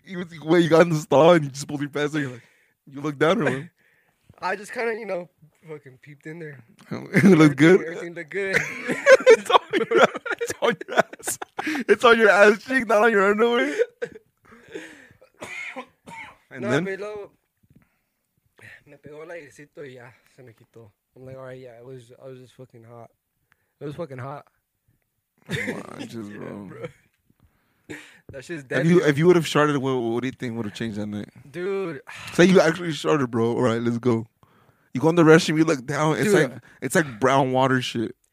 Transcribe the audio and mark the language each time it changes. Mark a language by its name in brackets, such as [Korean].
[English] you got in the stall and you just pulled your pants and you're like, you look down or what? I just kind of, you know. Fucking peeped in there. It looked good. Everything looked good. It's on your ass. It's on your ass cheek, not on your underwear. And then? [Spanish] Me pegó el airecito y ya se me quitó. [English] I'm like, all right, yeah, I was just fucking hot. It was fucking hot. Come on, just bro. That shit's dead. If you would have sharted, what do you think would have changed that night? Dude. Say you actually sharted, bro. All right, let's go. You go in the restroom, you look down, it's dude, like it's like brown water shit.